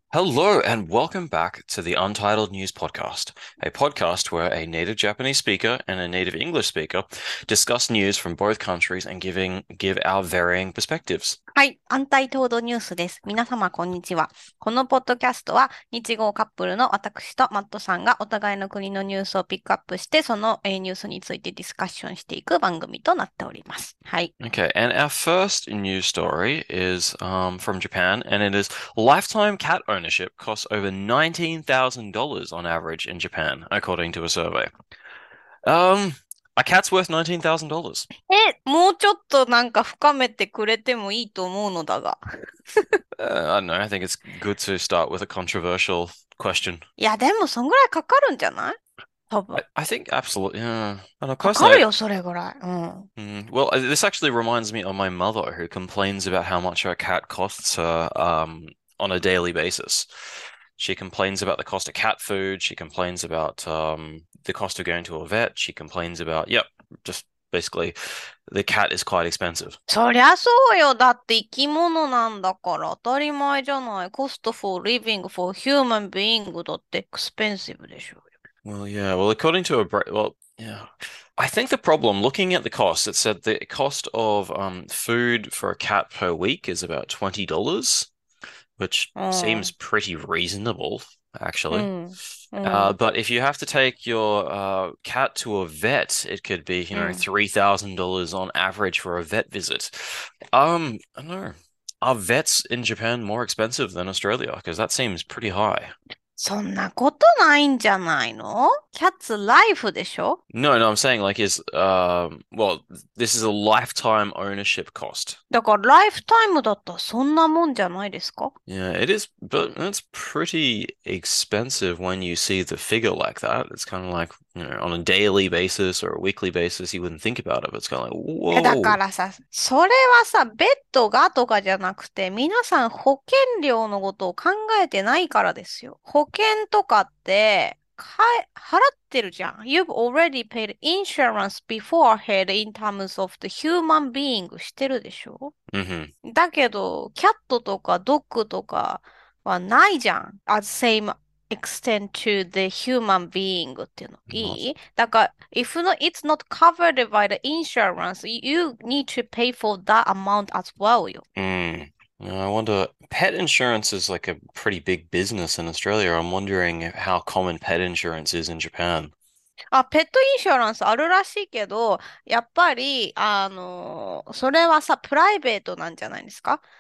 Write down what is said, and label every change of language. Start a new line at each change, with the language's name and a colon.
English: Hello, and welcome back to the Untitled News Podcast, a podcast where a native Japanese speaker and a native English speaker discuss news from both countries and give our varying perspectives.
Japanese: はい。アンタイトードニュースです。皆様、こんにちは。このポッドキャストは、日豪カップルの私とマットさんがお互いの国のニュースをピックアップして、そのニュースについてディスカッションしていく番組となっております。はい。
English: Okay, and our first news story is from Japan, and it is lifetime cat ownership costs over $19,000 on average in Japan, according to a survey. A cat's worth $19,000.
Japanese: もうちょっとなんか深めてくれてもいいと思うのだが。
English: I don't know, I think it's good to start with a controversial question.
Japanese: いや、でもそんぐらいかかるんじゃない? 多分。
English: I think absolutely, yeah.
Japanese: かかるよ、それぐらい。うん。
English: Well, this actually reminds me of my mother, who complains about how much her cat costs her on a daily basis. She complains about the cost of cat food. She complains about the cost of going to a vet. She complains about, yep, just basically, the cat is quite expensive.
Japanese: そりゃそうよ。だって生き物なんだから当たり前じゃない。
English: Cost for living for human being
Japanese: だって
English: expensive
Japanese: でしょ。
English: Well, yeah. Well, according to a well, yeah. I think the problem, looking at the cost, it said the cost of food for a cat per week is about $20, which seems pretty reasonable, actually. But if you have to take your cat to a vet, it could be, you know, $3,000 on average for a vet visit. I don't know. Are vets in Japan more expensive than Australia? Because that seems pretty high.
Japanese: そんなことないんじゃないの?
English: Cat's life
Japanese: でしょ?
English: No, no, I'm saying like is, well, this is a lifetime ownership cost.
Japanese: だから lifetime だったらそんなもんじゃないですか?
English: Yeah, it is, but it's pretty expensive when you see the figure like that. It's kind of like, you know, on a daily basis or a weekly basis, you wouldn't think about it, but it's kind of like, whoa.
Japanese: だからさ、それはさ、ベッドがとかじゃなくて、皆さん保険料のことを考えてないからですよ。保険とかって、払ってるじゃん。
English: You've already paid insurance beforehand in terms of the human being
Japanese: してるでしょ、 mm-hmm. だけど、キャットとかドッグとかはないじゃん。
English: At the same extent to the human being
Japanese: っていうの。いい? だから、
English: if not, it's not covered by the insurance, you need to pay for that amount as well
Japanese: よ。
English: I wonder, pet insurance is like a pretty big business in Australia. I'm wondering how common pet insurance is in Japan.
Japanese: あ、ペットインシュランスあるらしいけど、やっぱり、それはさ、プライベートなんじゃないですか?